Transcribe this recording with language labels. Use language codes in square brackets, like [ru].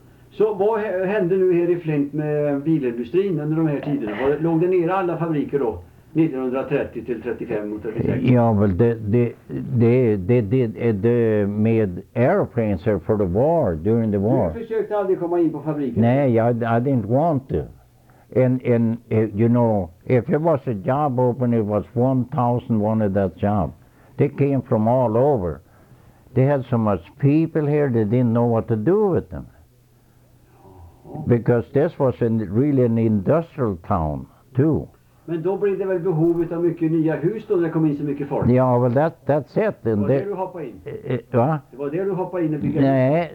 [sv] Så vad hände nu här i Flint med bilindustrin under de här tiderna? Låg det ner alla fabriker då? 1930 till 35 mot 36? Ja, väl det med [en] airplanes här for the war, during the war. [sv] Du försökte aldrig komma in på fabriken? [en] Nej, I didn't want to. And you know, if it was a job open, it was 1,000 wanted that job. They came from all over. They had so much people here, they didn't know what to do with them. Because this was really an industrial town, too. [sv] Men då blev det väl behovet av mycket nya hus då när det kom in så mycket folk? [en] Ja, well, that's it. [sv] Var det du hoppade in? Va? Det var det du hoppade in och byggde?